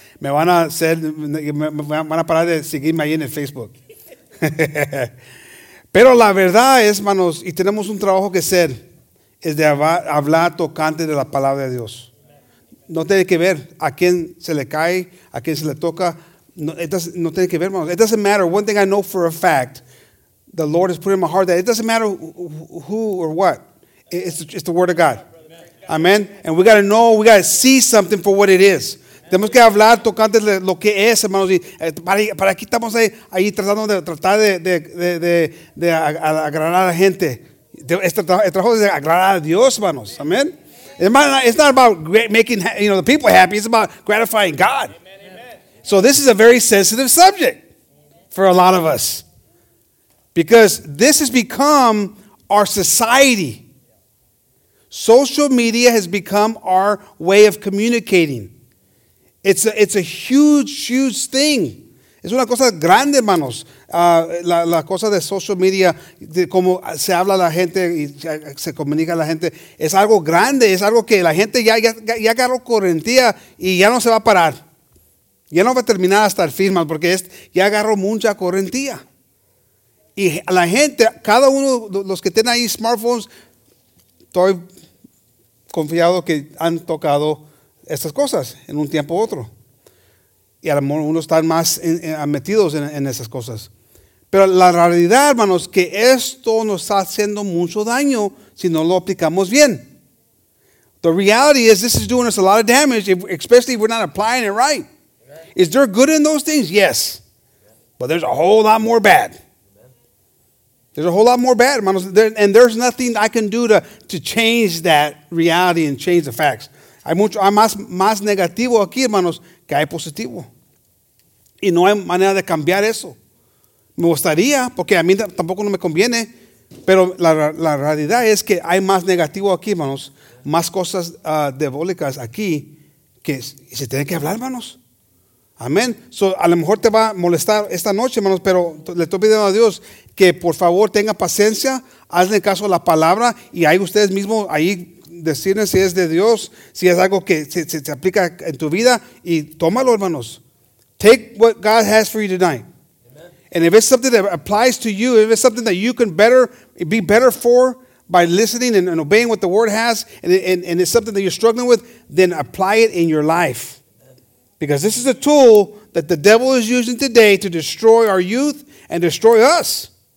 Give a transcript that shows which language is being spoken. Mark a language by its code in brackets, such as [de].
[es] Me van a hacer, van a parar de seguirme ahí en el Facebook. Pero la verdad es, hermanos, y tenemos un trabajo que hacer, es de hablar tocante de la palabra de Dios. No tiene que ver a quién se le cae, a quién se le toca. No tiene que ver, hermanos. [en] It doesn't matter. One thing I know for a fact, the Lord has put in my heart that it doesn't matter who or what. It's the word of God. Amen. And we got to know, we got to see something for what it is. [es] Tenemos que hablar tocante lo que es, hermanos. Para aquí estamos ahí tratando de agradar a la gente. Este trabajo es agradar a Dios, hermanos. Amen. [en] It's not about making, you know, the people happy. It's about gratifying God. So this is a very sensitive subject for a lot of us. Because this has become our society. Social media has become our way of communicating. It's a huge, huge thing. [es] Es una cosa grande, hermanos. La cosa de social media, de cómo se habla la gente y se comunica la gente, es algo grande. Es algo que la gente ya agarró correntía y ya no se va a parar. Ya no va a terminar hasta el fin, hermanos, porque ya agarró mucha correntía. Y la gente, cada uno de los que tienen ahí smartphones, estoy confiado que han tocado estas cosas en un tiempo u otro. Y a lo mejor uno está más metidos en esas cosas. Pero la realidad, hermanos, que esto nos está haciendo mucho daño si no lo aplicamos bien. [en] The reality is this is doing us a lot of damage, especially if we're not applying it right. Is there good in those things? Yes. But there's a whole lot more bad. There's a whole lot more bad, hermanos. And there's nothing I can do to change that reality and change the facts. [es] Hay mucho, hay más negativo aquí, hermanos, que hay positivo. Y no hay manera de cambiar eso. Me gustaría, porque a mí tampoco no me conviene, Pero la realidad es que hay más negativo aquí, hermanos, más cosas diabólicas aquí que se tiene que hablar, hermanos. Amén. So, a lo mejor te va a molestar esta noche, hermanos, pero le estoy pidiendo a Dios que por favor tenga paciencia, hazle caso a la palabra y ahí ustedes mismos ahí deciden si es de Dios, si es algo que se aplica en tu vida y tómalo, hermanos. [en] Take what God has for you tonight. And if it's something that applies to you, if it's something that you can be better for by listening and obeying what the word has, and it's something that you're struggling with, then apply it in your life. Because this is a tool that the devil is using today to destroy our youth and destroy us.